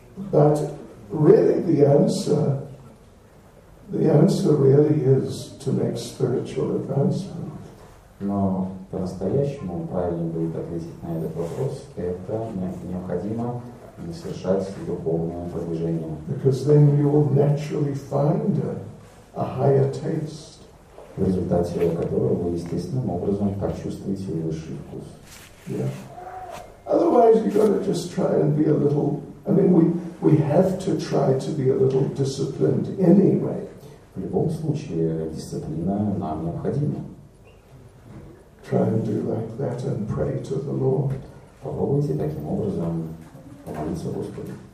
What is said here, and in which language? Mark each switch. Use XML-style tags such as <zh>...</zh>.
<en>But really, the answer really is to make spiritual advancement.</en> <ru>Но по-настоящему правильно будет ответить на этот вопрос. Это необходимо совершать духовное продвижение.</ru> <en>Because then you will naturally find a higher taste.</en> <ru>В результате которого вы естественным образом почувствуете высший вкус.</ru> <en>Yeah. Otherwise, you gotta just try and be a little. I mean, we have to try to be a little disciplined anyway.</en> <ru>В любом случае, дисциплина нам необходима.</ru> <en>Try and do like that and pray to the Lord.</en> <ru>Попробуйте таким образом помолиться Господу.</ru>